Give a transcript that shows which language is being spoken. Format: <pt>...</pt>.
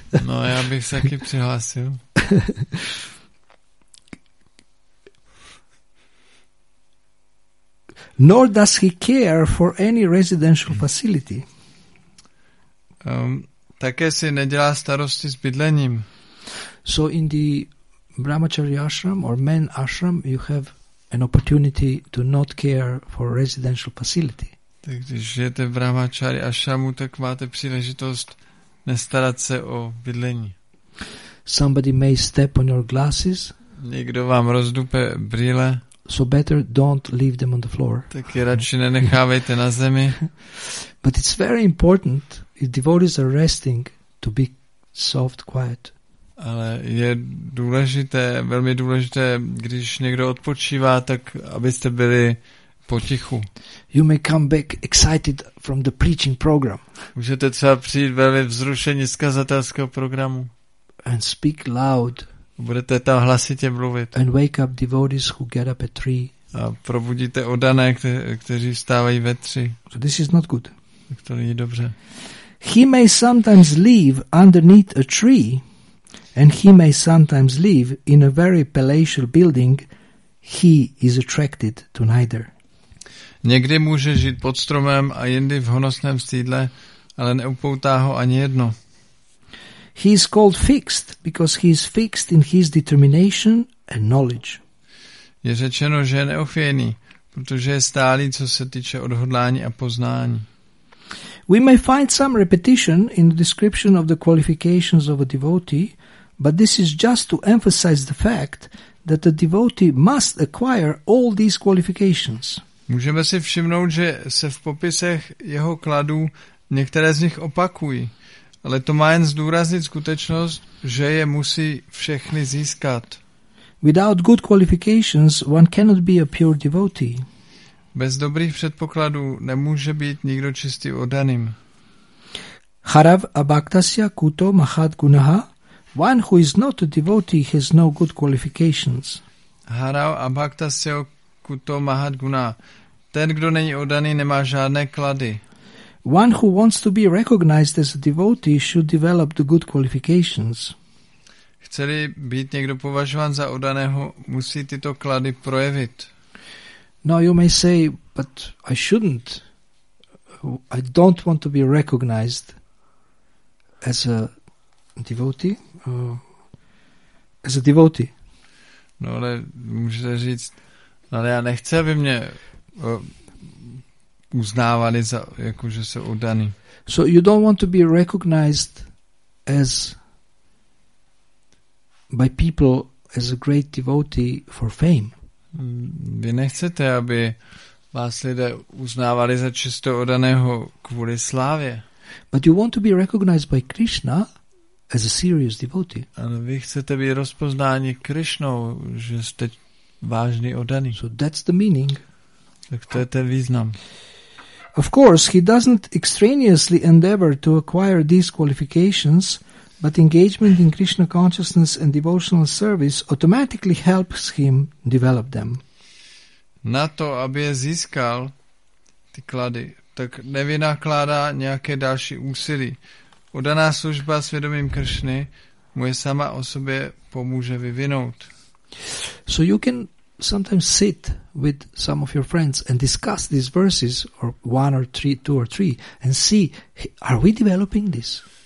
<cs>No, já bych se taky přihlásil.</cs> <en>Nor does he care for any residential facility.</en> <cs>Také si nedělá starosti s bydlením.</cs> <en>So in the Brahmacharya ashram or men ashram, you have an opportunity to not care for residential facility.</en> <cs>Tak když žijete v Brahmacharya ashramu, tak máte příležitost nestarat se o bydlení.</cs> <en>Somebody may step on your glasses.</en> <cs>Někdo vám rozdupe brýle.</cs> <en>So better don't leave them on the floor.</en> <cs>Tak je radši nenechávejte na zemi.</cs> <en>But it's very important if devotees are resting to be soft, quiet.</en> <cs>Ale je důležité, velmi důležité, když někdo odpočívá, tak abyste byli potichu.</cs> <en>You may come back excited from the preaching program.</en> <cs>Můžete třeba přijít velmi vzrušení z kazatelského programu.</cs> <en>And speak loud.</en> <cs>Budete tam hlasitě mluvit.</cs> <en>And wake up devotees who get up at 3.</en> <cs>A probudíte oddané, kteří vstávají ve 3.</cs> <en>So this is not good.</en> <cs>Tak to není dobře.</cs> <en>He may sometimes live underneath a tree, and he may sometimes live in a very palatial building. He is attracted to neither.</en> <cs>Někdy může žít pod stromem a jindy v honosném sídle, ale neupoutá ho ani jedno.</cs> <en>He is called fixed because he is fixed in his determination and knowledge.</en> <cs>Je řečeno, že je neochvějný, protože je stálý, co se týče odhodlání a poznání.</cs> <en>We may find some repetition in the description of the qualifications of a devotee, but this is just to emphasize the fact that a devotee must acquire all these qualifications.</en> <cs>Můžeme si všimnout, že se v popisech jeho kladů některé z nich opakují, ale to má jen zdůraznit skutečnost, že je musí všechny získat.</cs> <en>Without good qualifications, one cannot be a pure devotee.</en> <cs>Bez dobrých předpokladů nemůže být nikdo čistý oddaným.</cs> <sa>Harav abaktasya kuto mahat gunaha.</sa> <en>One who is not a devotee has no good qualifications.</en> <sa>Harav abaktasya kuto mahat gunaha.</sa> <cs>Ten, kdo není oddaný, nemá žádné klady.</cs> <en>One who wants to be recognized as a devotee should develop the good qualifications.</en> <cs>Chce-li být někdo považován za oddaného, musí tyto klady projevit.</cs> <en>Now you may say, but I shouldn't. I don't want to be recognized as a devotee.</en> <cs>No, ale můžete říct, ale já nechci, aby mě uznávali za jako že jsou oddaný.</cs> <en>So you don't want to be recognized as by people as a great devotee for fame.</en> <cs>Vy nechcete, aby vás lidé uznávali za čisto oddaného kvůli slávě.</cs> <en>But you want to be recognized by Krishna as a serious devotee.</en> <cs>Ale vy chcete být rozpoznáni Krishnou, že jste vážný oddaný.</cs> <en>So that's the meaning.</en> <cs>Tak to je ten význam.</cs> <en>Of course, he doesn't extraneously endeavor to acquire these qualifications, but engagement in Krishna consciousness and devotional service automatically helps him develop them.</en> <cs>Na to, aby je získal ty klady, tak nevynakládá nějaké další úsilí. Oddaná služba svědomím Kršny mu je sama o sobě pomůže vyvinout.</cs> <en>So you can sometimes sit with some of your friends and discuss these verses or one or three, two or three and see, are we developing this?</en>